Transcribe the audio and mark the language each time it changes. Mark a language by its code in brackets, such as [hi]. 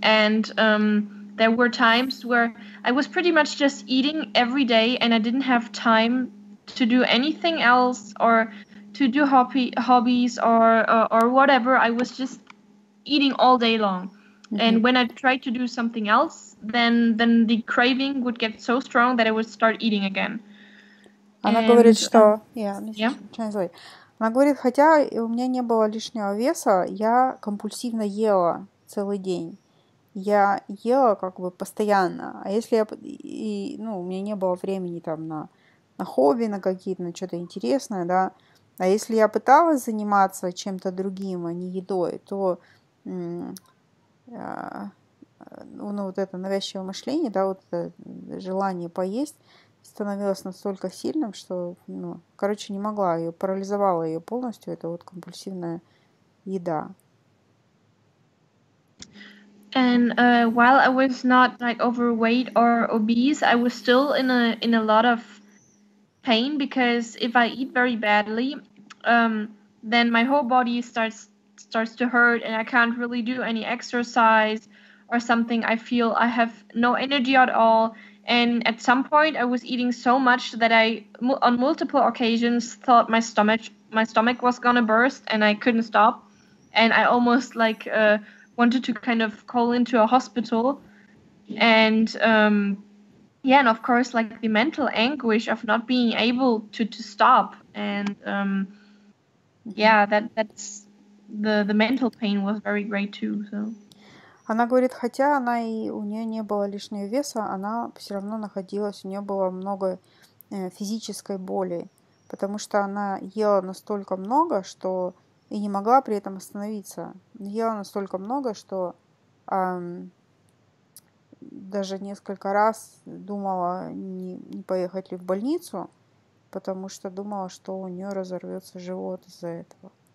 [en] And there were times where I was pretty much just eating every day and I didn't have time to do anything else or to do hobbies or whatever. I was just eating all day long. Mm-hmm. And when I tried to do something else, then the craving would get so strong that I would start eating again. [ru] Она говорит, хотя у меня не было лишнего веса, я компульсивно ела целый день. Я ела как бы постоянно. А если я... у меня не было времени там на хобби, на какие-то, на что-то интересное, да. А если я пыталась заниматься чем-то другим, а не едой, то вот это навязчивое мышление, да, вот это желание поесть становилось настолько сильным, что, не могла, ее парализовала ее полностью, это вот компульсивная еда. [en] And while I was not like overweight or obese, I was still in a lot of pain, because if I eat very badly, then my whole body starts to hurt and I can't really do any exercise or something. I feel I have no energy at all. And at some point I was eating so much that I on multiple occasions thought my stomach was gonna burst and I couldn't stop. And I almost wanted to kind of call into a hospital. And yeah, and of course, like the mental anguish of not being able to stop, and that's the mental pain was very great too. So. [ru] Она говорит, хотя она и у нее не было лишнего веса, она все равно находилась, у нее было много физической боли, потому что она ела настолько много, что и не могла при этом остановиться, ела настолько много, что даже несколько раз думала, не поехать ли в больницу, потому что думала, что у нее разорвется живот из-за этого.